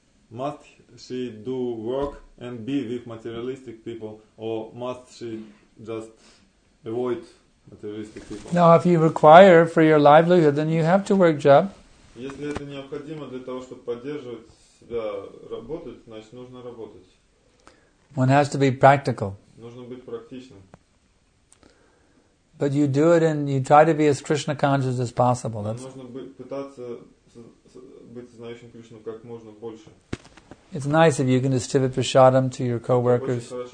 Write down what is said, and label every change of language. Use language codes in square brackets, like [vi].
[en] Must she do work and be with materialistic people, or must she just avoid materialistic people? Now, if you require for your livelihood, then you have to work job. [ru] Если это необходимо для того, чтобы поддерживать себя, работать, значит, нужно работать. [en] One has to be practical. [ru] Нужно быть практичным. [en] But you do it and you try to be as Krishna conscious as possible. [ru] Нужно пытаться быть знающим Кришну как можно больше. [en] It's nice if you can distribute prasadam to your co-workers.